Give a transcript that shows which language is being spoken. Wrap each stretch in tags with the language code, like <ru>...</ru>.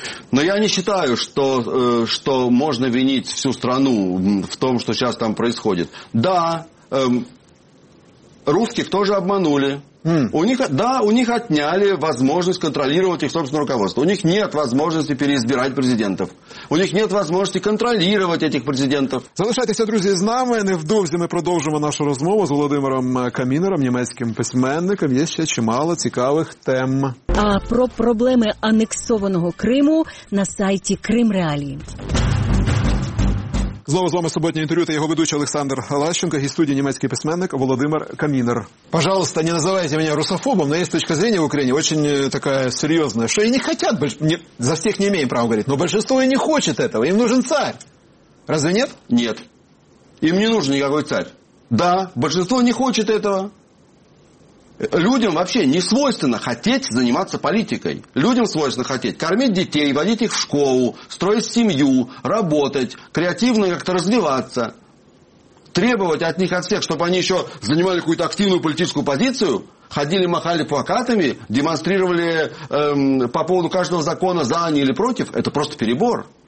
<ru>Но я не считаю, что можно винить всю страну в том, что сейчас там происходит. Да, русских тоже обманули. У них отняли возможность контролировать их собственное руководство. У них нет возможности переизбирать президентов. У них нет возможности контролировать этих президентов.</ru> <uk>Залишайтеся, друзі, з нами. Невдовзі ми продовжимо нашу розмову з Володимиром Камінером, німецьким письменником. Є ще чимало цікавих тем. А про проблеми анексованого Криму на сайті Крим Реалії. Знову з вами суботнє інтерв'ю та його ведучий Олександр Лащенко, гість-студії німецький письменник Володимир Камінер. Пожалуйста, не називайте мене русофобом, але є точка зрення в Україні, очень така серйозна, що і не хочуть, за всіх не маємо права говорити, але більшість не хоче цього, їм нужен цар.</uk> <ru>Разве нет?</ru> <uk>Нет. Їм не нужен ніякий цар. Да, більшість не хоче цього.</uk> <ru>Людям вообще не свойственно хотеть заниматься политикой. Людям свойственно хотеть кормить детей, водить их в школу, строить семью, работать, креативно как-то развиваться. Требовать от них, от всех, чтобы они еще занимали какую-то активную политическую позицию, ходили, махали плакатами, демонстрировали по поводу каждого закона за, они или против, это просто перебор.</ru>